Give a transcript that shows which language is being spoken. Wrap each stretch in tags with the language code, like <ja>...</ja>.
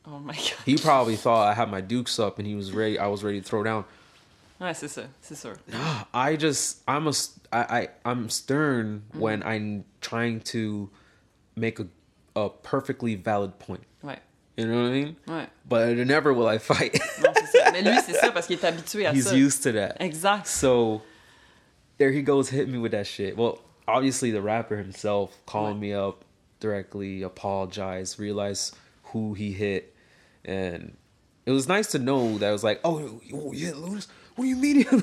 <en>Oh my God. He probably thought I had my dukes up and I was ready to throw down.</en> <fr>Ouais, c'est ça. C'est sûr.</fr> <en>I'm stern when I'm trying to make a perfectly valid point.</en> <fr>Ouais.</fr> <en>You know what I mean?</en> <fr>Ouais.</fr> <en>But never will I fight.</en> <fr>Non, c'est ça. Mais lui, c'est ça parce qu'il est habitué à</fr> <en>He's</en> <fr>ça.</fr> <en>He's used to that.</en> <fr>Exact.</fr> <en>So there he goes hitting me with that shit. Well, obviously the rapper himself called me up directly, apologized, realized who he hit, and it was nice to know that it was like, oh yeah, Ludus, what do you mean?</en>